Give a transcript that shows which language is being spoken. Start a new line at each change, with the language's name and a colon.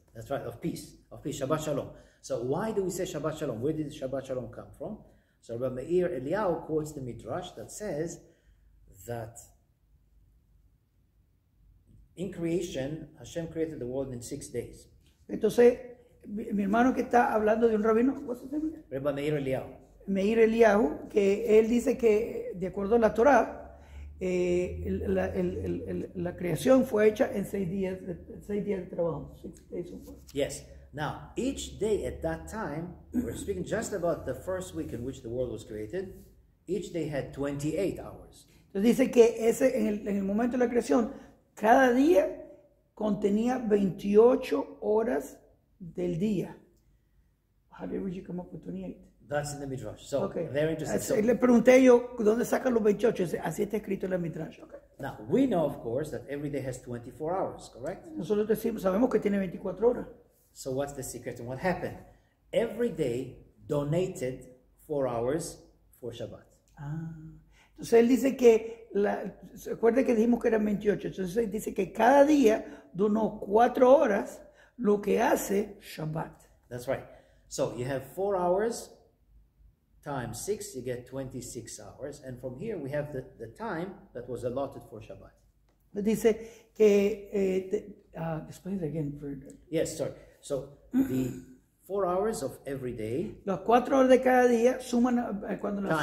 English: That's right, of peace, Shabbat Shalom. So why do we say Shabbat Shalom? Where did Shabbat Shalom come from? So Rabbi Meir Eliyahu quotes the Midrash that says that in creation, Hashem created the world in 6 days.
Spanish: Entonces, mi hermano que está hablando de un rabino, ¿cómo se llama?
English: Rabbi Meir Eliyahu.
Spanish: Meir Eliyahu, que él dice que de acuerdo a la Torah, la creación fue hecha en 6 días, 6 días de trabajo.
English: 6 days of work. Yes. Now, each day at that time, we're speaking just about the first week in which the world was created, each day had 28 hours.
Spanish: Entonces dice que en el momento de la creación, cada día contenía 28 horas del día.
English: How did you come up with 28? That's in the Midrash. So, Okay. very interesting.
Spanish: Así,
English: So,
Spanish: le pregunté yo, ¿dónde sacan los 28? Así está escrito en la Midrash.
English: Okay. now, we know, of course, that every day has 24 hours, correct?
Spanish: Nosotros decimos, sabemos que tiene 24 horas.
English: So what's the secret and what happened? Every day donated 4 hours for Shabbat.
Spanish: Entonces él dice que se acuerda que dijimos que eran 28. Entonces él dice que cada día donó 4 horas, lo que hace Shabbat.
English: That's right. So you have 4 hours times six, you get 26 hours. And from here we have the time that was allotted for Shabbat.
Spanish: Dice que
English: explain it again for Yes, sorry. So the 4 hours of every day,
Spanish: las 4 horas de cada día suman, cuando las